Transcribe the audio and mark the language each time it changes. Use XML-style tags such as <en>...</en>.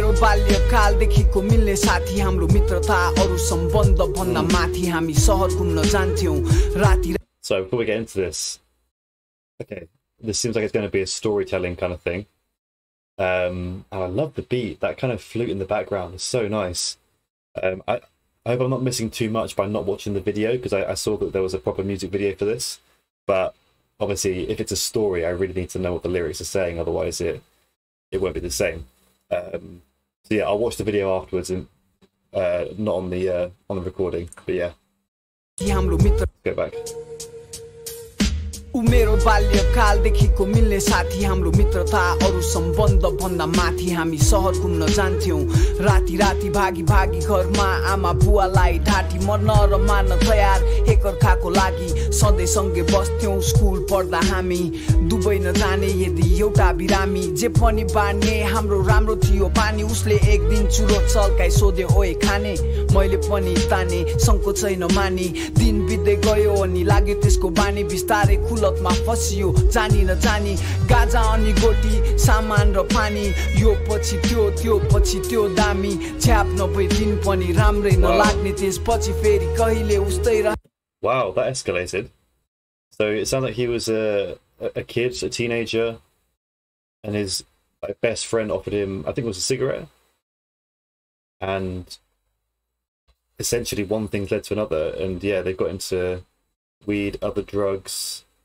<ne>बाल्यकालदेखिको मिल्ने साथी हाम्रो मित्रता अरू सम्बन्ध भन्न माथि हामी सहर घुम्न जान्थ्यौँ राति.</ne> <en>So before we get into this, okay, this seems like it's going to be a storytelling kind of thing. And I love the beat, that kind of flute in the background is so nice. I hope I'm not missing too much by not watching the video, because I saw that there was a proper music video for this. But obviously, if it's a story, I really need to know what the lyrics are saying, otherwise it won't be the same. So yeah, I'll watch the video afterwards and not on the recording, but yeah. Let's go back.</en> <ne>मेरो बाल्यकालदेखिको मिल्ने साथी हाम्रो मित्रता अरू सम्बन्ध भन्दा माथि हामी सहर घुम्न जान्थ्यौँ राति राति भागी भागी घरमा आमा बुवालाई ढाँटी मर्न र मार्न तयार एकअर्काको लागि सधैँ सँगै बस्थ्यौँ स्कुल पढ्दा हामी दुबई नजाने यदि एउटा बिरामी जे पनि बाँड्ने हाम्रो राम्रो थियो पानी उसले एक दिन चुरो चल्काई सोध्यो ओए खाने मैले पनि ताने सङ्कोच छैन माने दिन बित्दै गयो अनि लाग्यो त्यसको बानी बिस्तारै कुलतमा फसियो जानी नजानी गाजा अनि गोटी सामान र पानी यो पछि त्यो पछि त्यो दामी छ्याप नभए दिन पनि राम्रै नलाग्ने त्यसपछि फेरि कहिले उस्तै रह.</ne> <en>Wow, that escalated. So it sounds like he was a kid, a teenager, and his best friend offered him, I think it was a cigarette. And essentially one thing led to another, and yeah, they got into weed, other drugs.</en>